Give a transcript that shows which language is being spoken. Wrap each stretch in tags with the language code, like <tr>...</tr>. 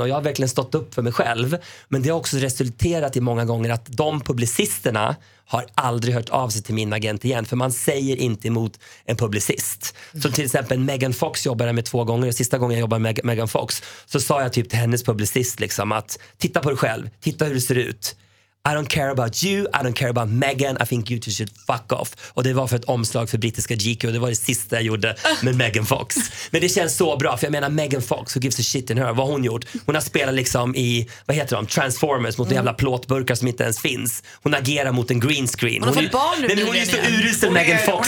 <sv>Och jag har verkligen stått upp för mig själv. Men det har också resulterat i många gånger att de publicisterna har aldrig hört av sig till min agent igen. För man säger inte emot en publicist. Så till exempel Megan Fox jobbade med två gånger. Och sista gången jag jobbade med Megan Fox så sa jag typ till hennes publicist liksom att titta på dig själv, titta hur du ser ut.</sv> <en>I don't care about you, I don't care about Megan, I think you two should fuck off.</en> <sv>Och det var för ett omslag för brittiska GQ och det var det sista jag gjorde med Megan Fox. Men det känns så bra, för jag menar Megan Fox,</sv> <en>who gives a shit</en> <sv>in her, vad hon gjort? Hon har spelat liksom i, vad heter de, Transformers mot en jävla plåtburkar som inte ens finns. Hon agerar mot en green screen. Hon har fått barn nu. Men hon är ju så urusel Megan Fox.</sv>